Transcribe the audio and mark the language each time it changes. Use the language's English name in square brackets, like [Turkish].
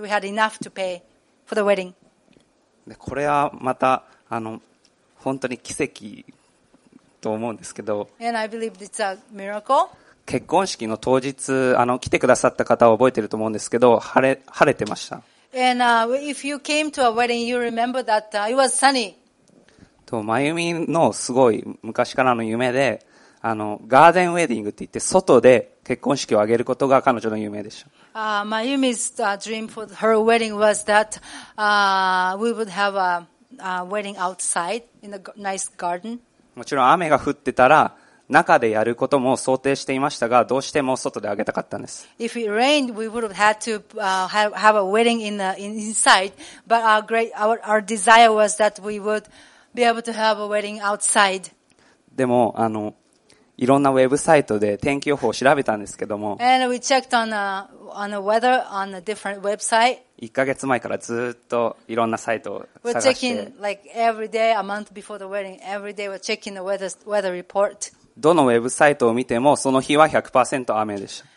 [English] We had enough to pay for the wedding. [Japanese] でこれはまたあの本当に奇跡と思うんですけど、 [English] And I believe it's a miracle. [Japanese] 結婚式の当日あの来てくださった方は覚えてると思うんですけど、晴れてました。 [English] And if you came to a wedding, you remember that it was sunny. [Japanese] と真由美のすごい昔からの夢で、あのガーデンウェディングって言って外で結婚式を挙げることが彼女の夢でした。 [English] Mayumi's dream for her wedding was that we would have a wedding outside in a nice garden. [Japanese] もちろん雨が降ってたら中でやることも想定していましたが、どうしても外であげたかったんです。 [English] If it rained, we would have had to have a wedding inside. But our desire was that we would be able to have a wedding outside. [Japanese] でもあのいろんなウェブサイトで天気予報を調べたんですけども、 [English] And we checked on the weather on a different website. [Japanese] 1ヶ月前からずっといろんなサイトを探して、 [English] We're checking like every day, a month before the wedding, every day we're checking the weather report. [Japanese] どのウェブサイトを見てもその日は 100% 雨でした。